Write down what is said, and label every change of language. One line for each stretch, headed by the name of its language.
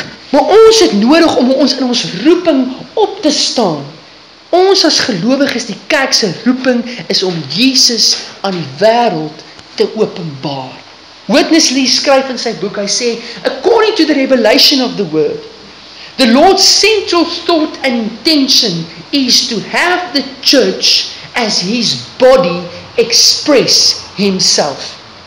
Afrikaans: Maar ons het nodig om ons in ons roeping op te staan. Ons as gelowiges, die kerk se roeping is om Jesus aan die wêreld te openbaar.
English: Witness Lee
Afrikaans: skryf in sy boek, hy sê,
English: according to the revelation of the word, the Lord's central thought and intention is to have the church as his body express himself.